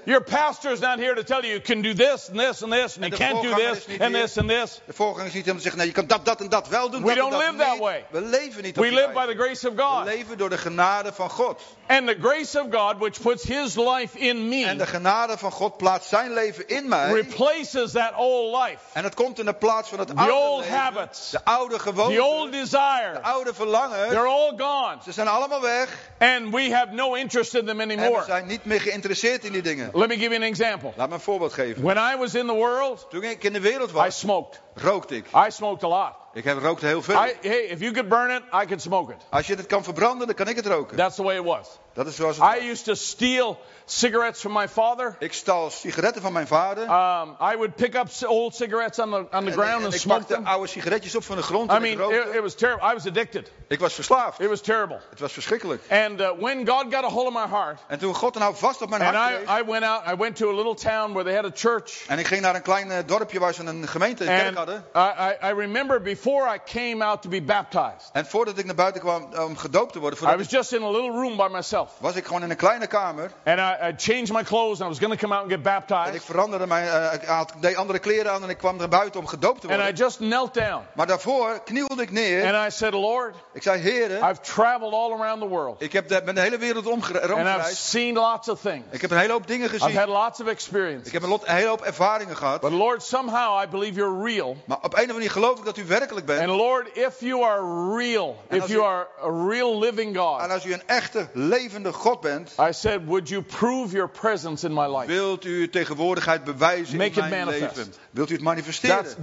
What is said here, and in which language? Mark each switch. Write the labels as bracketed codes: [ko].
[en] Your pastor is not here to tell you you can do this and this and this and you can't do this and this and this. [nl] De voorganger is niet om te zeggen, nou, je kan dat, dat en dat wel doen. [en] We don't live that way. [nl] We leven niet. [en] We live by the grace of God. [nl] We leven door de genade van God. [en] And the grace of God, which puts His life in me. [nl] En de genade van God plaatst zijn leven in mij. [en] Replaces that old life. [nl] En het komt in de plaats van het oude leven. [en] The old habits. [nl] De oude gewoonten. [en] The old desires. [nl] De oude verlangens. [en] They're all gone. [nl] Ze zijn allemaal weg. [en] And we have no interest in them anymore. [nl] En we zijn niet meer geïnteresseerd in die dingen. [en] Let me give you an example. [nl] Laat me een voorbeeld geven. [en] When I was in the world, [nl] toen ik in de wereld was, [en] I smoked. [nl] Rookte ik. [en] I smoked a lot. [nl] Ik heb rookte heel veel. [en] Hey, if you could burn it, I could smoke it. [nl] Als je het kan verbranden, dan kan ik het roken. [en] That's the way it was. [nl] Dat is zoals het [en] I [nl] was. [en] Used to steal cigarettes from my father. [nl] Ik stal sigaretten van mijn vader. [en] I would pick up old cigarettes on the ground and smoke them. [nl] Ik pakte oude sigaretjes op van de grond en ik rookte. [en] It was terrible. I was addicted. [nl] Ik was verslaafd. [en] It was terrible. [nl] Het was verschrikkelijk. [en] And when God got a hold of my heart. [nl] En toen God nou vast op mijn hart kreeg. [en] And I went to a little town where they had a church. [nl] En ik ging naar een klein dorpje waar ze een gemeente en kerk hadden. [en] I remember before I came out to be baptized. [nl] En voordat ik naar buiten kwam om gedoopt te worden. [en] I was just in a little room by myself. [nl] Was ik gewoon in een kleine kamer. [en] And I changed my clothes and I was going to come out and get baptized. [nl] En ik veranderde deed andere kleren aan en ik kwam er buiten om gedoopt te worden. [en] And I just knelt down. [nl] Maar daarvoor knielde ik neer. [en] And I said, Lord. [nl] Ik zei, Heere. [en] I've traveled all around the world. [nl] Ik heb de hele wereld omgereisd. [en] And I've seen lots of things. [nl] Ik heb een hele hoop dingen gezien. [en] I've had lots of experience. [nl] Ik heb een hele hoop ervaringen gehad. [en] But Lord, somehow I believe you're real. [nl] Maar op een of andere manier geloof ik dat u werkelijk werkelijk bent. [en] And Lord, if you are real, if you are a real living God. [nl] En als u een echte levende God bent. [en] I said, would you prove your presence in my life? [nl] Wilt u uw tegenwoordigheid bewijzen in mijn leven? [en] Make it manifest. [nl] Wilt u het manifesteren?